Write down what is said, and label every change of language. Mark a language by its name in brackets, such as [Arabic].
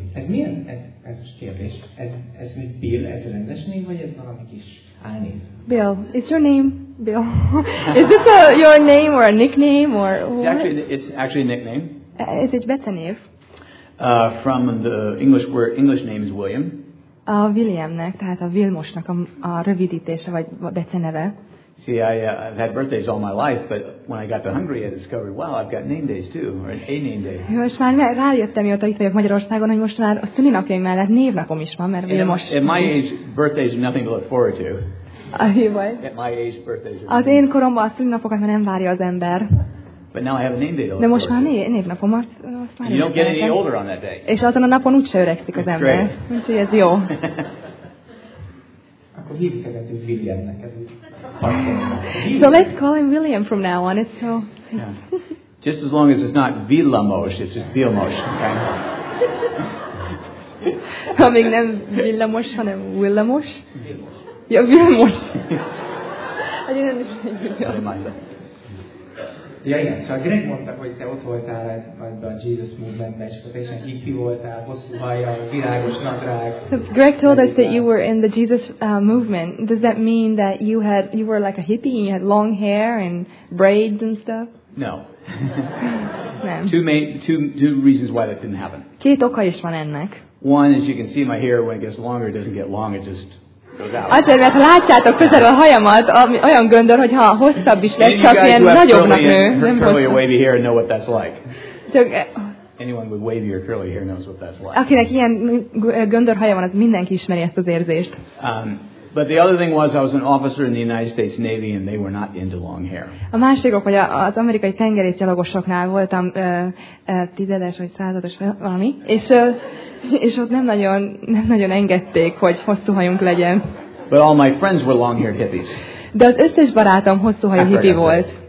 [Hungarian] Ez milyen, ez kérdés, ez egy Bill, ez rendes név, vagy ez valami kis álnév? [English] Bill, it's your name, Bill. Is this a, your name or a nickname or what? It's actually a nickname. [Hungarian] Ez egy betenév. [English] From the English word, English name is William. [Hungarian] A Williamnek, tehát a Vilmosnak a rövidítése vagy beceneve. [English] See, I've had birthdays all my life, but when I got to Hungary, I discovered, wow, I've got name days too, or an A name day. [Hungarian] Most már rájöttem, mióta itt vagyok Magyarországon, hogy most már a szülinapjaim mellett névnapom is van, mert Vilmos. [English] At my age, birthdays are nothing to look forward to. At my age, birthdays are. [Hungarian] Az én koromban a szülinapokat már nem várja az ember. [English] But now I have a name day. [Hungarian] De most már névnapom, azt már. [English] You don't get any older on that day. [Hungarian] És azon a napon úgyse öregszik az ember. Úgyhogy ez jó. [English] So let's call him William from now on. It's so. Yeah. Just as long as it's not Villamos, it's just Vilmos. Okay. [Hungarian] Amíg nem Villamos, hanem Villamos. Yeah, Vilmos. [English] I didn't understand. Yeah. [Hungarian] So Greg mondta, hogy te ott voltál a Jesus Movement-ben, és te is hippie voltál, hosszú hajjal, virágos nadrág. [English] So Greg told us that you were in the Jesus Movement. Does that mean that you were like a hippie and you had long hair and braids and stuff? No. two reasons why that didn't happen. [Hungarian] Két oka is van ennek. [English] One is you can see my hair when it gets longer, it doesn't get long, it just. [Hungarian] Azért, mert ha látjátok közelről a hajamat, olyan göndör, hogyha hosszabb is lesz, csak ilyen nagyobbnak nő. Nem hosszabb. Akinek ilyen göndör haja van, az mindenki ismeri ezt az érzést. [English] But the other thing was I was an officer in the United States Navy and they were not into long hair. [Hungarian] A másik ok, hogy az amerikai tengerészgyalogosoknál voltam tizedes vagy százados valami, és ott nem nagyon engedték, hogy hosszú hajunk legyen. [English] But all my friends were long-haired hippies. [Hungarian] De az összes barátom hosszú hajú hippie volt.